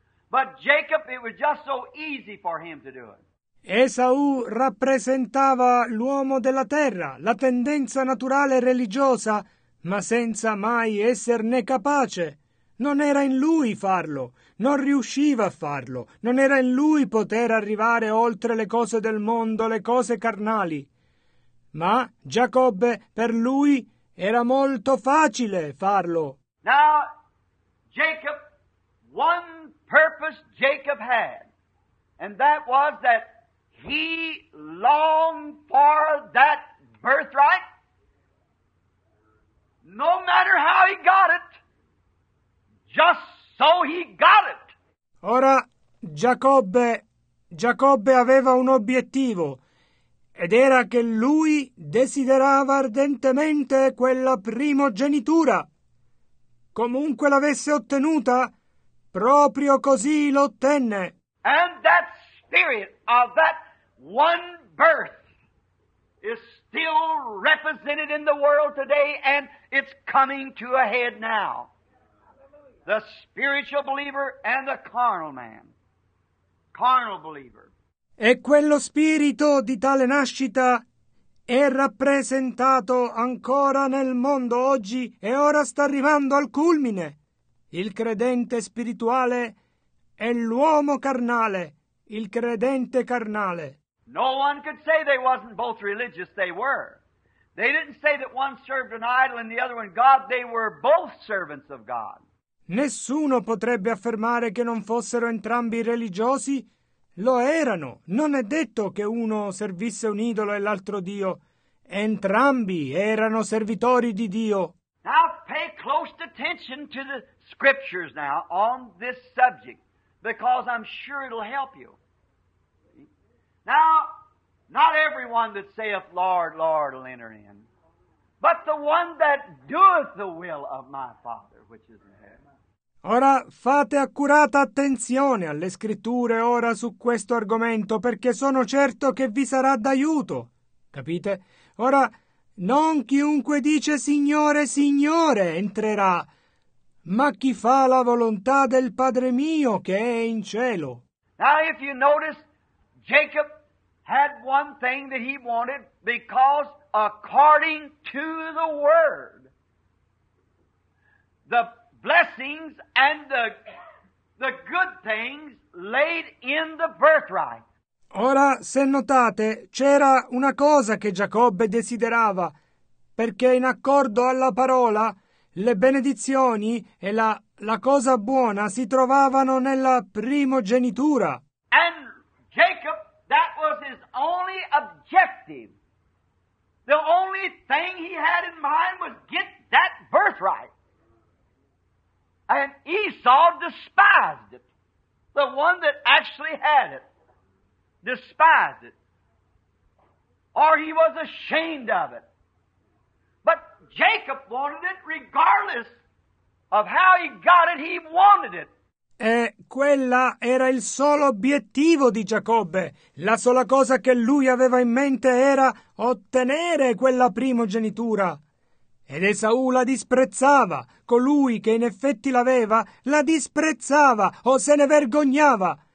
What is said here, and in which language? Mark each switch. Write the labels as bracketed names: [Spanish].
[English] But Jacob, it was just so easy for him to do it. [Italian] Esau rappresentava l'uomo della terra, la tendenza naturale religiosa, ma senza mai esserne capace. Non era in lui farlo, non riusciva a farlo, non era in lui poter arrivare oltre le cose del mondo, le cose carnali. Ma Giacobbe, per lui, era molto facile farlo. [English] Now, Jacob, one purpose Jacob had, and that was that he longed for that birthright, no matter how he got it, just so he got it. [Italian] Ora, Giacobbe aveva un obiettivo, ed era che lui desiderava ardentemente quella primogenitura. Comunque l'avesse ottenuta, proprio così l'ottenne. [English] And that spirit of that one birth is still represented in the world today, and it's coming to a head now. The spiritual believer and the carnal man. Carnal believer. [Italian] E quello spirito di tale nascita è rappresentato ancora nel mondo oggi, e ora sta arrivando al culmine. Il credente spirituale è l'uomo carnale, il credente carnale. [English] No one could say they wasn't both religious, they were. They didn't say that one served an idol and the other one God, they were both servants of God. [Italian] Nessuno potrebbe affermare che non fossero entrambi religiosi. Lo erano. Non è detto che uno servisse un idolo e l'altro Dio. Entrambi erano servitori di Dio. [English] Now pay close attention to the scriptures now on this subject, because I'm sure it'll help you. Now, not everyone that saith, Lord, Lord, will enter in, but the one that doeth the will of my Father, which is in heaven. [Italian] Ora fate accurata attenzione alle scritture ora su questo argomento, perché sono certo che vi sarà d'aiuto. Capite? Ora, non chiunque dice Signore, Signore entrerà, ma chi fa la volontà del Padre mio che è in cielo. [English] Now, if you notice, Jacob had one thing that he wanted, because according to the word, the blessings and the good things laid in the birthright. [Italian] Ora, se notate, c'era una cosa che Giacobbe desiderava, perché in accordo alla parola, le benedizioni e la cosa buona si trovavano nella primogenitura. [English] And Jacob, that was his only objective. The only thing he had in mind was get that birthright. And Esau despised it. The one that actually had it. Despised it. Or he was ashamed of it. But Jacob wanted it regardless of how he got it, he wanted it. [Italian] E quella era il solo obiettivo di Giacobbe. La sola cosa che lui aveva in mente era ottenere quella primogenitura. Ed Esaù la disprezzava. Colui che in effetti l'aveva, la disprezzava o se ne vergognava.